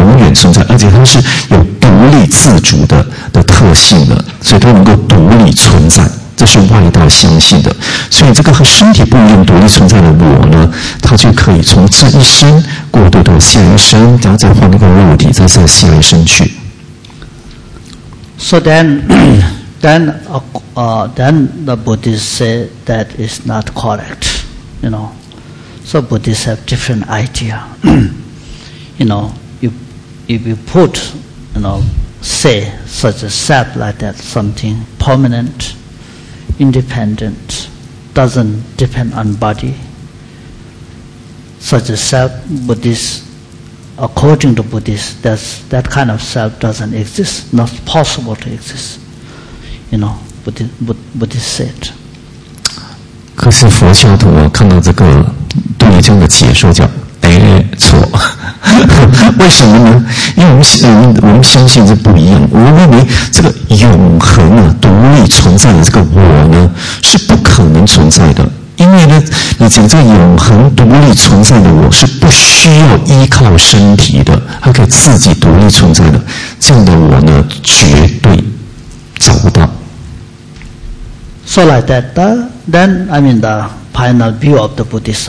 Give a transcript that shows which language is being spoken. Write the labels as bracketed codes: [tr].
[zh] 它是有独立自主 的特性的，所以它能够独立存在，这是外道相信的。所以这个和身体不一样独立存在的我呢，它就可以从这一生过渡到下一生，然后再换一个肉体，再到下一生去。 [en] So then the Buddhists say that is not correct, you know. So Buddhists have different idea. You know, if you put, you know, say such a self like that, something permanent, independent, doesn't depend on body, such a self, Buddhists, according to Buddhists, that kind of self doesn't exist, not possible to exist. You know, Buddhists say it. [zh] 可是佛教徒啊，看到这个对于这样的解说叫哎错，为什么呢？因为我们相信是不一样。我们认为这个永恒啊、独立存在的这个我呢，是不可能存在的。因为呢，你讲这个永恒独立存在的我是不需要依靠身体的，它可以自己独立存在的，这样的我呢，绝对找不到。 [en] So like that, then I mean the final view of the Buddhists.